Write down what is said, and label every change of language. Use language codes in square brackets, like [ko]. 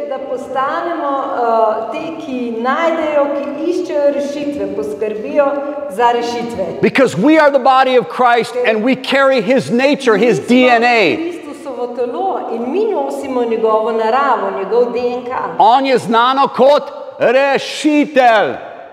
[sl] Postanemo te, ki najdejo, ki iščejo rešitve, poskrbijo za rešitve. [en] Because we are the body of Christ and we carry his nature, his DNA. [sl] Kristusovo telo in mi nosimo njegovo naravo, njegov DNK. On je znano kot rešitelj.